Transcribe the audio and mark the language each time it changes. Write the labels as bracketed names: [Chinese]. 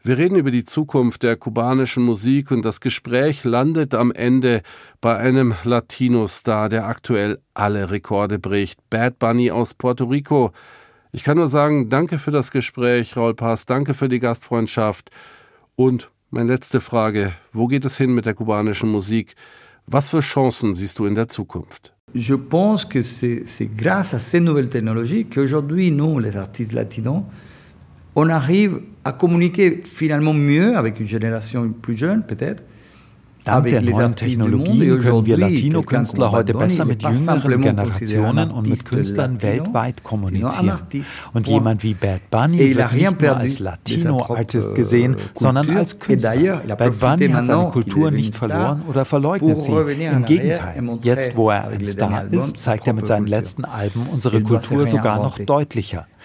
[German] Wir reden über die Zukunft der kubanischen Musik und das Gespräch landet am Ende bei einem Latino-Star, der aktuell alle Rekorde bricht, Bad Bunny aus Puerto Rico. Ich kann nur sagen, danke für das Gespräch, Raúl Paz, danke für die Gastfreundschaft. Und meine letzte Frage, wo geht es hin mit der kubanischen Musik? Was für Chancen siehst du in der Zukunft? [French] Je pense que c'est grâce à ces nouvelles technologies qu'aujourd'hui, nous, les artistes latinos, on arrive à communiquer finalement mieux avec une génération plus jeune, peut-être. [German] Dank der neuen Technologien können wir Latino-Künstler heute besser mit jüngeren Generationen und mit Künstlern weltweit kommunizieren. Und jemand wie Bad Bunny wird nicht mehr als Latino-Artist gesehen, sondern als Künstler. Bad Bunny hat seine Kultur nicht verloren oder verleugnet sie. Im Gegenteil, jetzt wo er ein Star ist, zeigt er mit seinen letzten Alben unsere Kultur sogar noch deutlicher.